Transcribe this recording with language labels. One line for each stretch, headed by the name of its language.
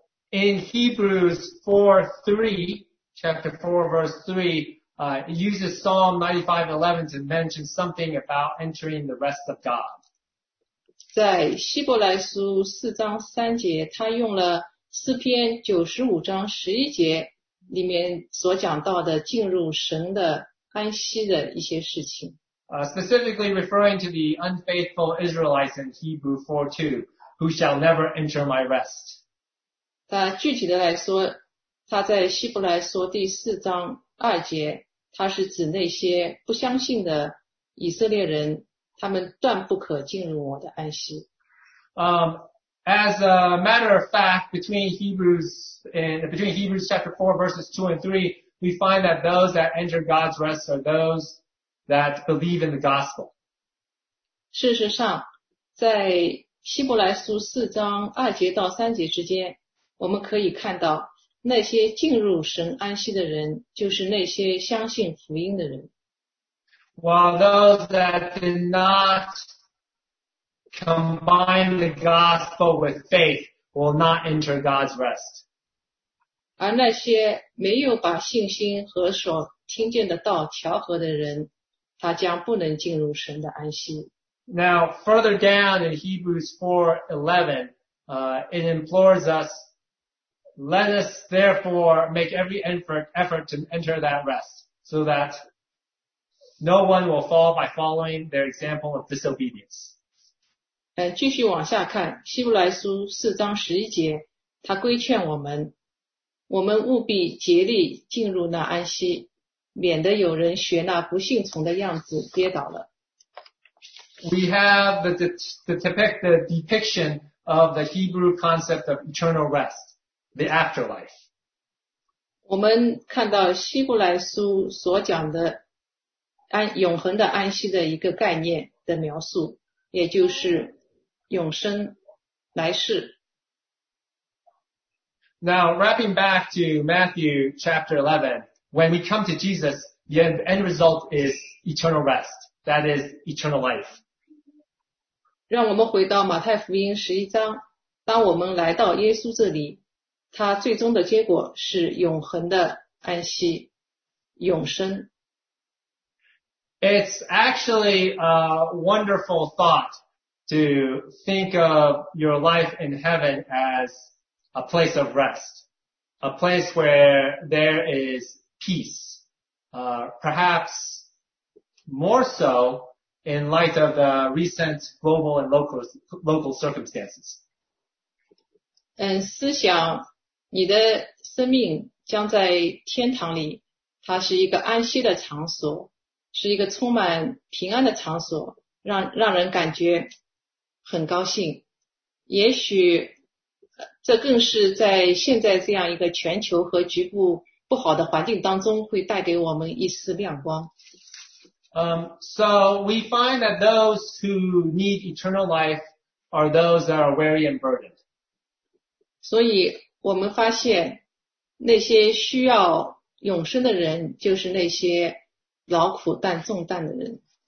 English: In Hebrews 4:3, chapter 4, verse 3, it uses Psalm 95:11 to mention something about entering the rest of God.
Chinese: 在希伯来书四章三节，他用了诗篇九十五章十一节里面所讲到的进入神的安息的一些事情。
English: Specifically referring to the unfaithful Israelites in Hebrews 4:2, who shall never enter my rest.
Chinese: 具体的来说，他在希伯来书第四章二节，他是指那些不相信的以色列人，他们断不可进入我的安息。
English: As a matter of fact, between Hebrews chapter 4 verses 2 and 3, we find that those that enter God's rest are those that believe in the gospel.
Chinese: 事实上，在希伯来书四章二节到三节之间，我们可以看到那些进入神安息的人就是那些相信福音的人。
English: While those that did not combine the gospel with faith will not enter God's rest.
Chinese: 而那些没有把信心和所听见的道调和的人，他将不能进入神的安息。
English: Now, further down in Hebrews 4:11, it implores us, let us therefore make every effort to enter that rest, so that no one will fall by following their example of disobedience.
Chinese: 继续往下看，希伯来书四章十一节，他规劝我们，我们务必竭力进入那安息，免得有人学那不信从的样子跌倒了。
English: We have the depiction of the Hebrew concept of eternal rest, the afterlife.
Chinese: 我们看到希伯来书所讲的永恒的安息的一个概念的描述，也就是永生来世。
English: Now, wrapping back to Matthew chapter 11, when we come to Jesus, the end result is eternal rest, that is eternal life.
Chinese: 让我们回到马太福音十一章，当我们来到耶稣这里，他最终的结果是永恒的安息，永生。
English: It's actually a wonderful thought to think of your life in heaven as a place of rest, a place where there is peace, perhaps more so. In light of the recent global and local circumstances.
Chinese: 思想你的生命将在天堂里，它是一个安息的场所，是一个充满平安的场所，让人感觉很高兴。也许这更是在现在这样一个全球和局部不好的环境当中会带给我们一丝亮光。
English: So we find that those who need eternal life are those that are weary and burdened.
Chinese: 所以我们发现那些需要永生的人就是那些劳苦担重担的人。